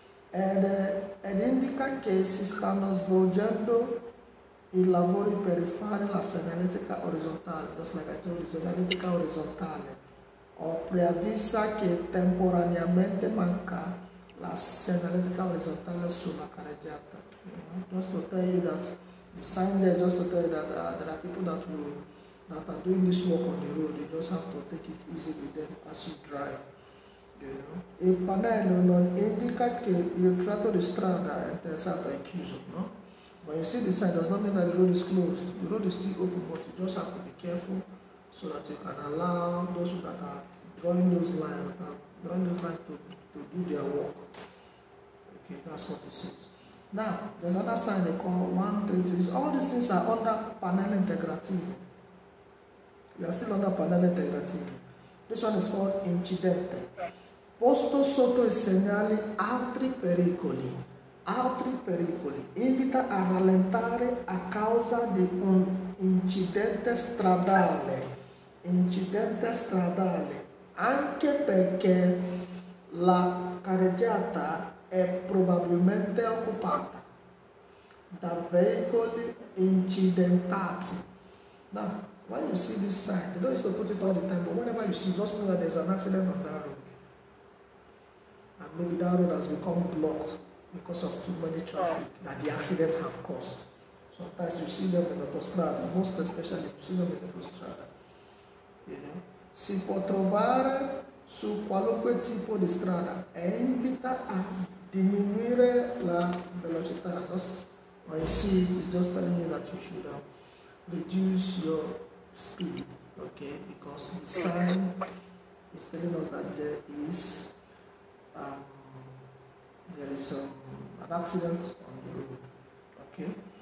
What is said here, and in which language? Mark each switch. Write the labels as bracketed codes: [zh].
[it] Ed indica che si stanno svolgendo I lavori per rifare la segnaletica orizzontale. [en] Just like I told you, [it] segnaletica orizzontale. O preavvisa che temporaneamente manca la segnaletica orizzontale sulla carreggiata. [en] Just to tell you that, the sign there, just to tell you that there are people that are doing this work on the road. You just have to take it easy with them as you drive. Yeah. [it] Il pannello non indica che il tratto di strada è interessato e chiuso, no? [en] But you see the sign, does not mean that the road is closed. The road is still open, but you just have to be careful so that you can allow those that are drawing those lines, to do their work. Okay, that's what it says. Now, there's another sign they call 133. All these things are under panel integrative. You are still under panel integrative. This one is called [it] incidente. Posto sotto I segnali altri pericoli. Altri pericoli. Invita a rallentare a causa di un incidente stradale. Incidente stradale. Anche perché la carreggiata è probabilmente occupata da veicoli incidentati. [en] Now, when you see this sign, you don't need to put it all the time, but whenever you see, just know that there's an accident on that road. And maybe that road has become blocked because of too many traffic that the accident have caused. Sometimes you see them in the autostrada, most especially you see them in the autostrada. You know? [it] Si può trovare su qualunque tipo di strada e invita a diminuire la velocità. [en] Just when you see it, it's just telling you that you should reduce your speed, okay? Because the sign is telling us that there is an accident on the road, okay?